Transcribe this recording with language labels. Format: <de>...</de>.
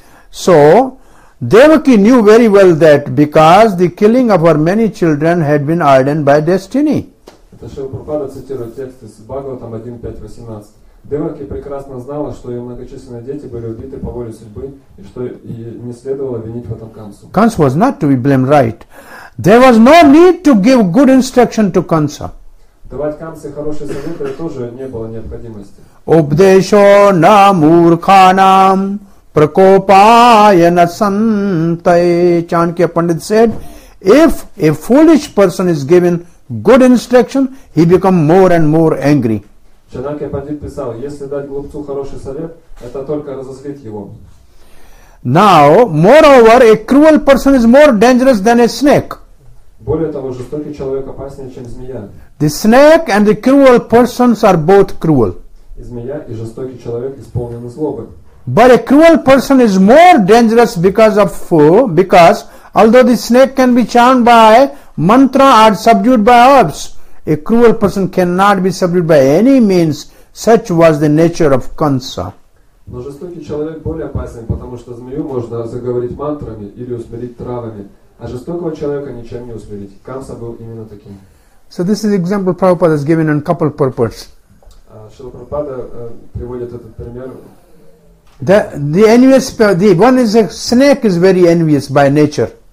<en>So, Devaki knew very well that because the killing of her many children had been ordained by destiny.</en> <ru>Это Шрила Прабхупада цитирует текст из Бхагаватам 1.5.18. Деваки прекрасно знала, что ее многочисленные дети были убиты по воле судьбы, и что ей не следовало винить в этом Кансу.</ru> <en>Kansa was not to be blamed, right? There was no need to give good instruction to Kansa.</en> <ru>Давать Кансе хорошие советы тоже не было необходимости.</ru> <sa>Обдешо на мурханам прокопая на сантай.</sa> <en>Чанкья Пандит said, if a foolish person is given good instruction, he become more and more angry.</en> <ru>Чанакья Пандит писал, если дать глупцу хороший совет, это только разозлит его.</ru> <en>Now, moreover, a cruel person is more dangerous than a snake.</en> <ru>Более того, жестокий человек опаснее, чем змея.</ru> <en>The snake and the cruel persons are both cruel.</en> <ru>И змея, и жестокий человек исполнены злобы.</ru> <en>But a cruel person is more dangerous because although the snake can be charmed by mantra or subdued by herbs, a cruel person cannot be subdued by any means. Such was the nature of Kansa.</en> <ru>Но жестокий человек более опасен, потому что змею можно заговорить мантрами или усмирить травами, а жестокого человека ничем не усмирить. Канса был именно таким.</ru> <en>So this is example Prabhupada has given in couple purports.</en> <ru>Шрила Прабхупада приводит этот пример.</ru> <en>The envious, the one is a snake is very envious by nature.</en>